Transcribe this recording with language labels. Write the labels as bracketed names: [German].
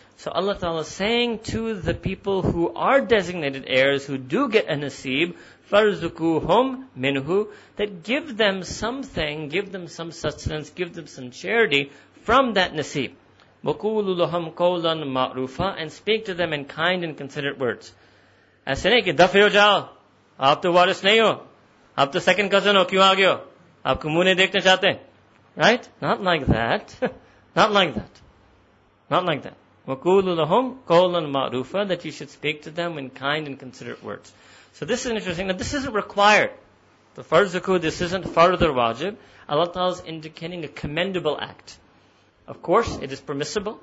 [English] So Allah Ta'ala is saying to the people who are designated heirs, who do get a nasib, [Arabic] farzukuhum minhu, [English] that give them something, give them some sustenance, give them some charity from that nasib. [Arabic] وَقُولُ لُهُمْ قَوْلًا مَعْرُوفًا, [English] and speak to them in kind and considerate words. [Urdu] ایسے نہیں کہ دفع ہو جاؤ, آپ تو وارث نہیں ہو, آپ تو سیکنڈ کزن ہو, کیوں آگئے ہو, آپ کو منہ نہیں دیکھنے چاہتے. [English] Right? Not like that. [Arabic] وَقُولُ لُهُمْ قَوْلًا مَعْرُوفًا, [English] that you should speak to them in kind and considerate words. So this is an interesting, now this isn't required. The فَرْزُكُو, this isn't further wajib. Allah Ta'ala is indicating a commendable act. Of course, it is permissible.